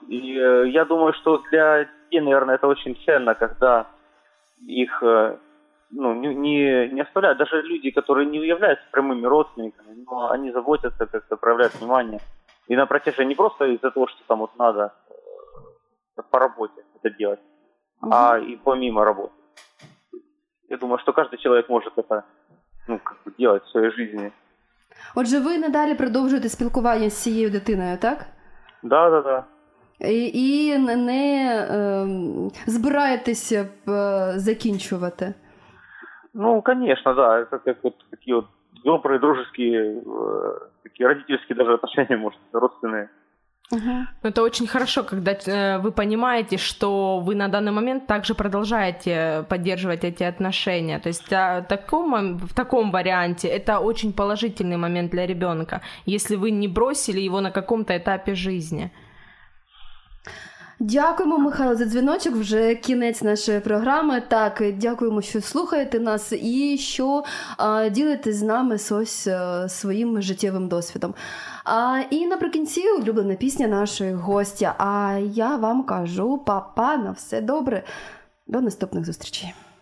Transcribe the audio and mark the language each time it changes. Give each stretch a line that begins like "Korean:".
Russian: И я думаю, что для детей, наверное, это очень ценно, когда их, ну, не оставляют, даже люди, которые не являются прямыми родственниками, но они заботятся, как-то проявляют внимание. И на протяжении не просто из-за того, что там вот надо по работе это делать, а и помимо работы. Я думаю, что каждый человек может это, ну, как бы делать в своей жизни.
Ukrainian: Отже, ви надалі продовжуєте спілкування з цією дитиною, так?
Russian: Да.
Ukrainian: І не збираєтеся закінчувати? Ну, звісно, да. Це як от такі от добрі, дружеські, такі родительські
Russian: даже отношения, может, родственные. Ну, это очень хорошо, когда вы понимаете, что вы на данный момент также продолжаете поддерживать эти отношения. То есть в таком варианте это очень положительный момент для ребенка, если вы не бросили его на каком-то этапе жизни.
Ukrainian: Дякуємо, Михайло, за дзвіночок. Вже кінець нашої програми. Так, дякуємо, що слухаєте нас і що ділитесь з нами своїм життєвим досвідом. І наприкінці улюблена пісня нашої гостя. А я вам кажу, па-па, на все добре. До наступних зустрічей.